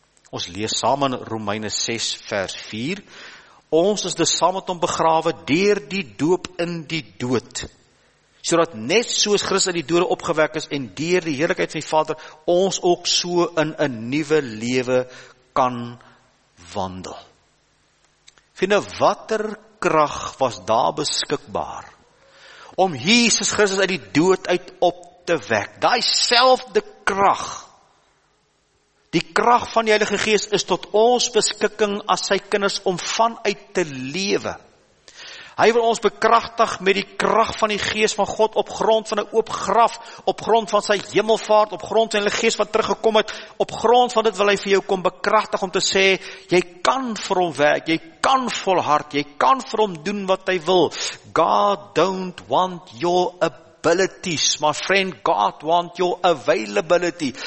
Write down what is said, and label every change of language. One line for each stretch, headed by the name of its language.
Afrikaans: Ons lees saam in Romeine 6 vers 4, ons is dus saam met hom begrawe deur die doop in die dood, sodat net soos Christus uit die dode opgewek is en deur die heerlikheid van die Vader, ons ook so in 'n nuwe lewe kan wandel. Vriende, watter krag was daar beskikbaar om Jesus Christus uit die dood uit op te wek? Daai selfde krag, die krag van die Heilige Gees, is tot ons beskikking as sy kinders om vanuit te lewe. Hy wil ons bekragtig met die krag van die Gees van God op grond van 'n oop graf, op grond van sy hemelvaart, op grond van die Gees wat teruggekom het, op grond van dit wil hy vir jou kom bekragtig om te sê, jy kan vir hom werk, jy kan volhard, jy kan vir hom doen wat hy wil.
English: God don't want your abilities, my friend, God want your availability.